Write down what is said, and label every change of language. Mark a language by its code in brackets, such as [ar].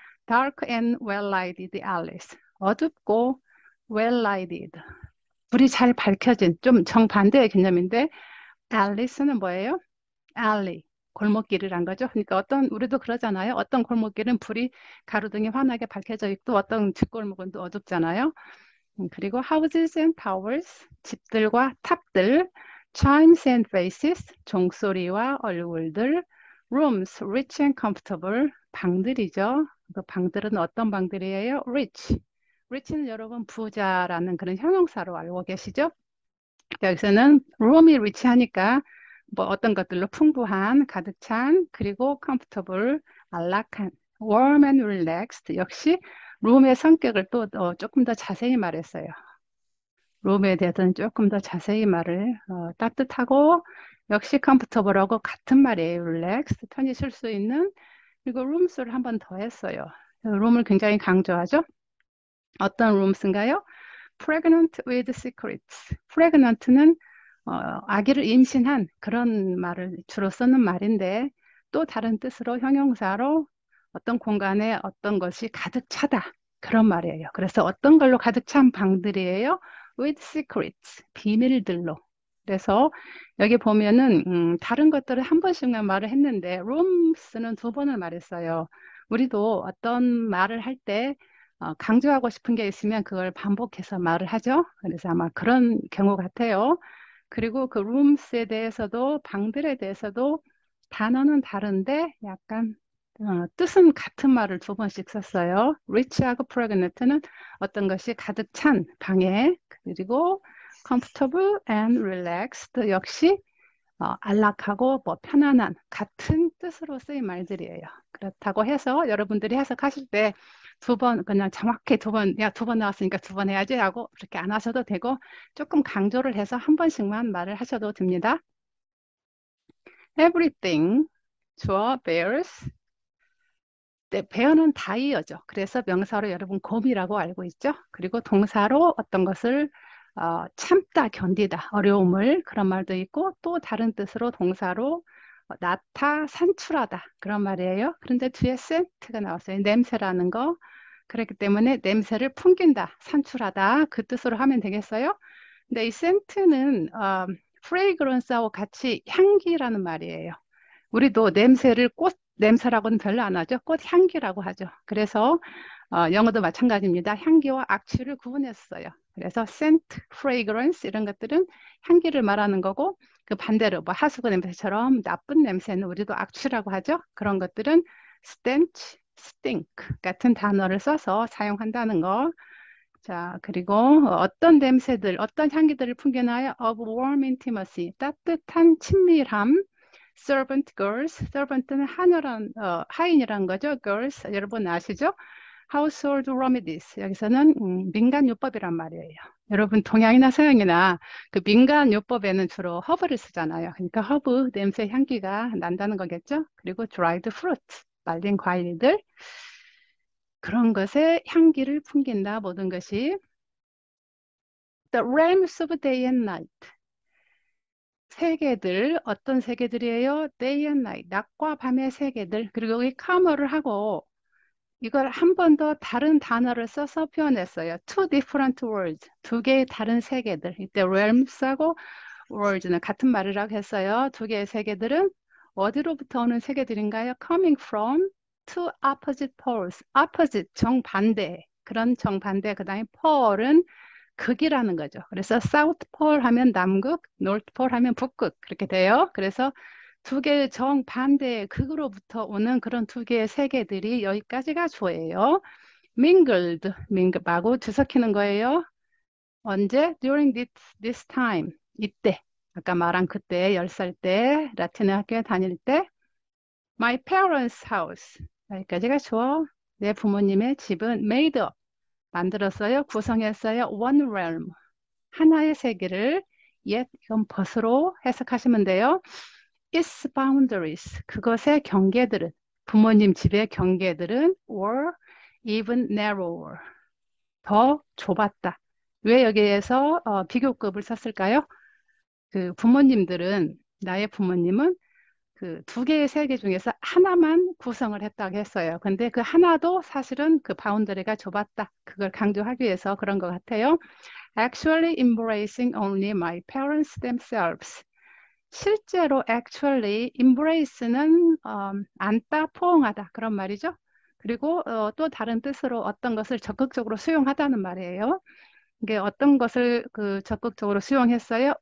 [en] Dark and well-lighted alleys. [ko] 어둡고 [en] well-lighted. [ko] 불이 잘 밝혀진 좀 정반대의 개념인데 alleys는 뭐예요? Alley. 골목길이란 거죠. 그러니까 어떤 우리도 그러잖아요. 어떤 골목길은 불이 가로등이 환하게 밝혀져 있고 어떤 뒷골목은 또 어둡잖아요. [en] 그리고 houses and towers, [ko] 집들과 탑들, [en] chimes and faces, [ko] 종소리와 얼굴들, [en] rooms rich and comfortable, [ko] 방들이죠. 그 방들은 어떤 방들이에요? [en] rich. [ko] rich는 여러분 부자라는 그런 형용사로 알고 계시죠? 여기서는 room이 rich하니까 뭐 어떤 것들로 풍부한, 가득 찬, 그리고 comfortable, 안락한, [en] warm and relaxed. [ko] 역시 룸의 성격을 또 조금 더 자세히 말했어요. 룸에 대해서는 조금 더 자세히 말을 따뜻하고 역시 comfortable하고 같은 말이에요. relaxed, 편히 쉴수 있는. 그리고 rooms를 한번더 했어요. 룸을 굉장히 강조하죠. 어떤 rooms인가요? [en] pregnant with secrets. [ko] pregnant는 아기를 임신한 그런 말을 주로 쓰는 말인데 또 다른 뜻으로 형용사로 어떤 공간에 어떤 것이 가득 차다 그런 말이에요. 그래서 어떤 걸로 가득 찬 방들이에요? [en] With secrets, [ko] 비밀들로. 그래서 여기 보면은 다른 것들을 한 번씩만 말을 했는데 rooms는 두 번을 말했어요. 우리도 어떤 말을 할때 강조하고 싶은 게 있으면 그걸 반복해서 말을 하죠. 그래서 아마 그런 경우 같아요. 그리고 그 rooms에 대해서도 방들에 대해서도 단어는 다른데 약간 뜻은 같은 말을 두 번씩 썼어요. rich하고 pregnant는 어떤 것이 가득 찬 방에 그리고 [en] comfortable and relaxed [ko] 역시 안락하고 뭐 편안한 같은 뜻으로 쓰인 말들이에요. 그렇다고 해서 여러분들이 해석하실 때두번 그냥 정확히 두 번, 야, 두번 나왔으니까 두번 해야지 하고 그렇게 안 하셔도 되고 조금 강조를 해서 한 번씩만 말을 하셔도 됩니다. [en] Everything 주어 bears. [ko] 네, bear는 다이어죠. 그래서 명사로 여러분 곰이라고 알고 있죠. 그리고 동사로 어떤 것을 참다, 견디다, 어려움을 그런 말도 있고 또 다른 뜻으로 동사로 나타, 산출하다 그런 말이에요. 그런데 뒤에 scent가 나왔어요. 냄새라는 거. 그렇기 때문에 냄새를 풍긴다, 산출하다 그 뜻으로 하면 되겠어요. 근데 이 scent는 fragrance하고 같이 향기라는 말이에요. 우리도 냄새를 꽃 냄새라고는 별로 안 하죠. 꽃 향기라고 하죠. 그래서 영어도 마찬가지입니다. 향기와 악취를 구분했어요. 그래서 scent, fragrance 이런 것들은 향기를 말하는 거고 그 반대로 뭐 하수구 냄새처럼 나쁜 냄새는 우리도 악취라고 하죠. 그런 것들은 stench, stink 같은 단어를 써서 사용한다는 거. 자, 그리고 어떤 냄새들, 어떤 향기들을 풍겨나요? [en] Of warm intimacy, [ko] 따뜻한 친밀함. Servant girls, servant는 하늘한 하인이라는 거죠. Girls, 여러분 아시죠? [en] Household remedies. [ko] 여기서는 민간요법이란 말이에요. 여러분 동양이나 서양이나 그 민간요법에는 주로 허브를 쓰잖아요. 그러니까 허브 냄새 향기가 난다는 거겠죠? 그리고 dried fruit, 말린 과일들. 그런 것에 향기를 풍긴다, 모든 것이. [en] The realms of day and night. [ko] 세계들, 어떤 세계들이에요? [en] Day and night, [ko] 낮과 밤의 세계들. 그리고 여기 comma를 하고 이걸 한번더 다른 단어를 써서 표현했어요. [en] Two different worlds, [ko] 두 개의 다른 세계들. 이때 realms하고 worlds는 같은 말이라고 했어요. 두 개의 세계들은 어디로부터 오는 세계들인가요? [en] Coming from two opposite poles. [ko] Opposite, 정반대. 그런 정반대, 그 다음에 pole은 극이라는 거죠. 그래서 사우스 폴 하면 남극, 노스 폴 하면 북극 그렇게 돼요. 그래서 두 개의 정반대의 극으로부터 오는 그런 두 개의 세계들이 여기까지가 주어예요. Mingled, 마구 뒤섞이는 거예요. 언제? [en] During this time, [ko] 이때. 아까 말한 그때, 10살 때, 라틴 학교에 다닐 때. [en] My parents' house, [ko] 여기까지가 주어. 내 부모님의 집은 [en] made up. [ko] 만들었어요. 구성했어요. [en] One realm. [ko] 하나의 세계를 yet 이건 벗으로 해석하시면 돼요. [en] Its boundaries. [ko] 그것의 경계들은 부모님 집의 경계들은 [en] were even narrower. [ko] 더 좁았다. 왜 여기에서 비교급을 썼을까요? 그 부모님들은 나의 부모님은 그두 개의 세계 중에서 하나만 구성을 했다고 했어요. 근데 그 하나도 사실은 그 바운더리가 좁았다. 그걸 강조하기 위해서 그런 것 같아요. [en] Actually embracing only my parents themselves. [ko] 실제로 actually embrace는 안다, 포옹하다 그런 말이죠. 그리고 또 다른 뜻으로 어떤 것을 적극적으로 수용하다는 말이에요. 이게 어떤 것을 그 적극적으로 수용했어요?